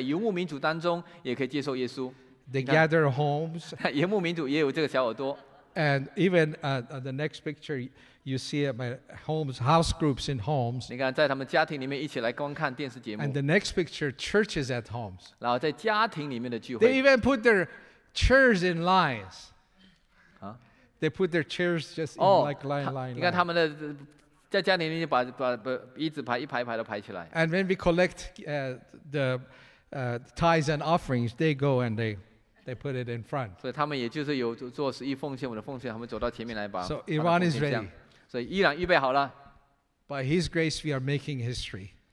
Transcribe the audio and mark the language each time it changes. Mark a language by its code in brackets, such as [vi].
[zh] 他们可以在他们的家庭，也可以下一张图啊，看到他们在游牧民族当中也可以接受耶稣。 [en] They gather homes. [zh] 游牧民族也有这个小耳朵。 [en] And even the next picture you see at my homes, house groups in homes. [zh] 你看在他们家庭里面一起来观看电视节目。 [en] And the next picture, churches at homes. [zh] 然后在家庭里面的聚会。 [en] They even put their chairs in lines. They put their chairs just in like line. [zh] 你看他们的在家里面就把椅子排一排一排的排起来。 [en] And when we collect the tithes and offerings, they go and they put it in front. [zh] 所以他们也就是有做十一奉献，我的奉献，他们走到前面来吧。 [en] So Iran is ready. [zh] 所以伊朗预备好了。 [en] By His grace, we are making history.